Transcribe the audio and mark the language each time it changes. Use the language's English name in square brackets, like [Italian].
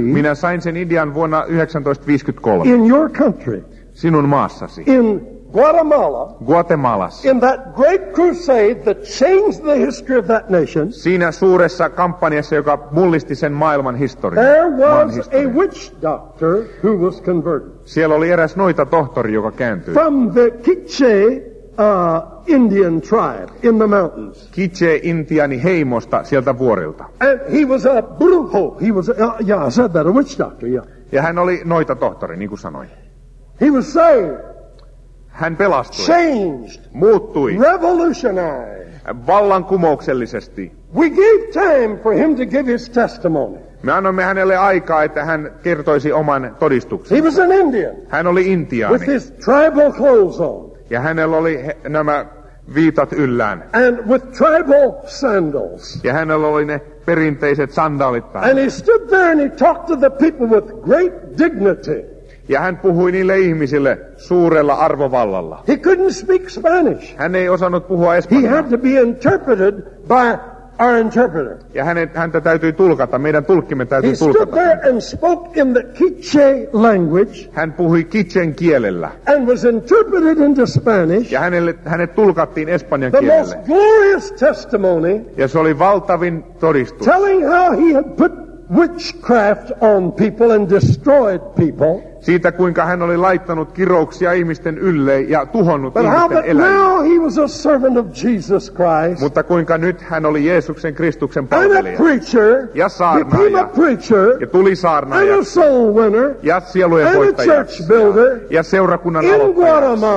[Finnish] Minä sain sen idean vuonna 1953. [English] In your country. [Finnish] Sinun maassasi. [English] In Guatemala. In that great crusade that changed the history of that nation. [Finnish] Siinä suuressa kampanjassa, joka mullisti sen maailman historian. [English] There was a witch doctor who was converted. [Finnish] Siellä oli eräs noita tohtori, joka kääntyi. [English] From the Quiche Indian tribe in the mountains. [Finnish] Quiche Intiani heimosta sieltä vuorilta. [English] And he was a brujo. He was yeah, I said that, a witch doctor, yeah. [Finnish] Ja hän oli noita tohtori, niin kuin sanoin. [English] He was saved. [Finnish] Hän pelastui. [English] Changed. [Finnish] Muuttui. [English] Revolutionized. [Finnish] Vallankumouksellisesti. [English] We gave time for him to give his testimony. [Finnish] Me annoimme hänelle aikaa, että hän kertoisi oman todistuksensa. [English] He was an Indian. [Finnish] Hän oli intiaani. [English] With his tribal clothes on. [Finnish] Ja hänellä oli nämä viitat yllään. [English] And with tribal sandals. [Finnish] Ja hänellä oli ne perinteiset sandaalit päällä. [English] And he stood there and he talked to the people with great dignity. [Finnish] Ja hän puhui niille ihmisille suurella arvovallalla. [English] He couldn't speak Spanish. [Finnish] Hän ei osannut puhua espanjaa. [English] He had to be interpreted by our interpreter. [Finnish] Ja häntä täytyi tulkata, meidän tulkkimme täytyi [English] he [Finnish] tulkata. [English] Stood there and spoke in the Quiche language. [Finnish] Hän puhui Quichen kielellä. [English] And was interpreted into Spanish. [Finnish] Ja hänet tulkattiin espanjan [English] the [Finnish] kielelle. [English] The most glorious testimony. [Finnish] Ja se oli valtavin todistus. [English] Telling how he had put witchcraft on people and destroyed people. [Finnish] siitä kuinka hän oli laittanut kirouksia ihmisten ylle ja tuhonnut ihmisten eläimiä. Mutta kuinka nyt hän oli Jeesuksen Kristuksen palvelija ja saarnaaja [English] preacher, [Finnish] ja tuli saarnaaja ja sielujen voittaja ja seurakunnan aloittaja